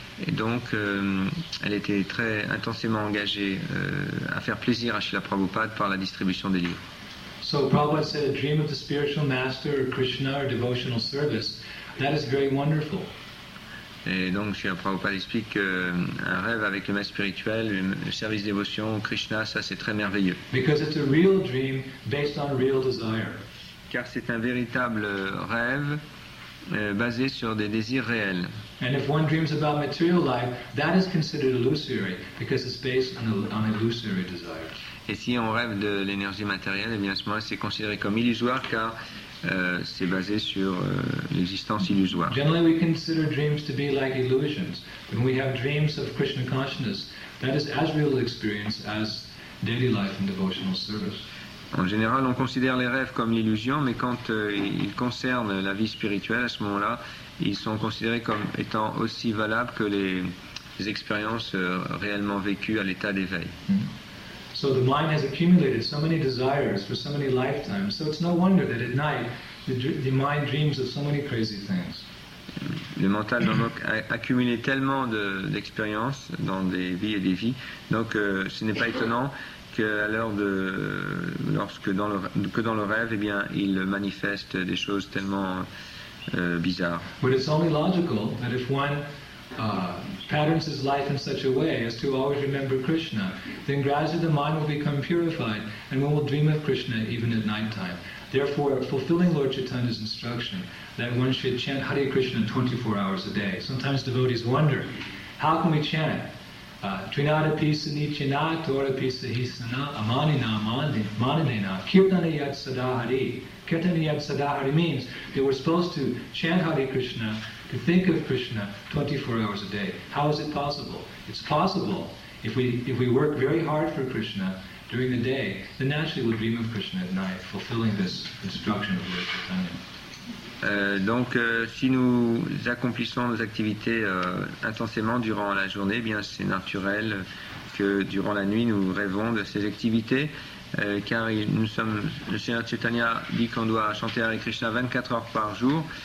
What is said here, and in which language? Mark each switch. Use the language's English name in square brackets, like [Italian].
[French] Et donc, elle était très intensément engagée à faire plaisir à Srila Prabhupada par la distribution des livres. [English] So Prabhupada said, dream of the spiritual master or Krishna or devotional service. That is very wonderful. [French] Et donc, Srila Prabhupada explique un rêve avec le maître spirituel, le service dévotion, Krishna, ça c'est très merveilleux. [English] Because it's a real dream based on real desire. [French] Car c'est un véritable rêve basé sur des désirs réels. [English] And if one dreams about material life, that is considered illusory because it's based on illusory desire. [French] Et si on rêve de l'énergie matérielle, eh bien à ce moment-là, c'est considéré comme illusoire car c'est basé sur l'existence illusoire. [English] Generally, we consider dreams to be like illusions. When we have dreams of Krishna consciousness, that is as real an experience as daily life and devotional service. [French] En général, on considère les rêves comme l'illusion, mais quand ils concernent la vie spirituelle, à ce moment-là, ils sont considérés comme étant aussi valables que les expériences réellement vécues à l'état d'éveil. [English] So the mind has accumulated so many desires for so many lifetimes. So it's no wonder that at night the mind dreams of so many crazy things. [French] Le mental donc a accumulé tellement d'expériences dans des vies et des vies. Donc ce n'est pas étonnant qu'à l'heure de lorsque dans le rêve, eh bien, il manifeste des choses tellement bizarres. [English] But it's only logical that if one patterns his life in such a way as to always remember Krishna, then gradually the mind will become purified and one will dream of Krishna even at night time. Therefore, fulfilling Lord Chaitanya's instruction that one should chant Hare Krishna 24 hours a day. Sometimes devotees wonder, how can we chant Trinada Pisa Nichina Tora Pisa Hisana Amanina Manina Kirtana Yad Sadahari. Kirtana Yad Sadahari means that we're supposed to chant Hare Krishna, to think of Krishna 24 hours a day. How is it possible? It's possible if we work very hard for Krishna during the day, then naturally we'll dream of Krishna at night, fulfilling this instruction of Lord Chaitanya. [French] Donc, si nous accomplissons nos activités intensément durant la journée, bien c'est naturel que durant la nuit nous rêvons de ces activités, car nous sommes. Le Seigneur Chaitanya dit qu'on doit chanter Hare Krishna 24 heures par jour.